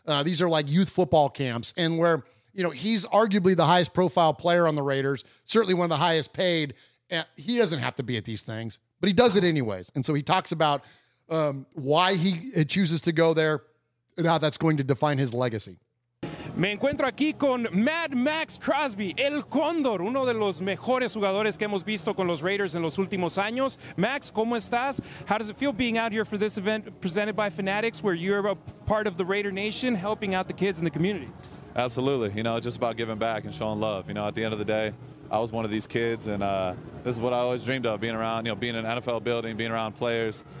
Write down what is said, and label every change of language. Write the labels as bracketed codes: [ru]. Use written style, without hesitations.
[en] These are like youth football camps. And where, you know, he's arguably the highest profile player on the Raiders, certainly one of the highest paid. He doesn't have to be at these things, but he does it anyways. And so he talks about why he chooses to go there. Now that's going to define his legacy. [es] Me encuentro aquí con Mad Max Crosby, el Cóndor, uno de los mejores jugadores que hemos visto con los Raiders en los últimos años. Max, ¿cómo estás? [en] How does it feel being out here for this event presented by Fanatics, where you're a part of the Raider Nation, helping out the kids in the community? Absolutely. You know, it's just about giving back and showing love. You know, at the end of the day, I was one of these kids, and this is what I always dreamed of, being around, you know, being in an NFL building, being around players.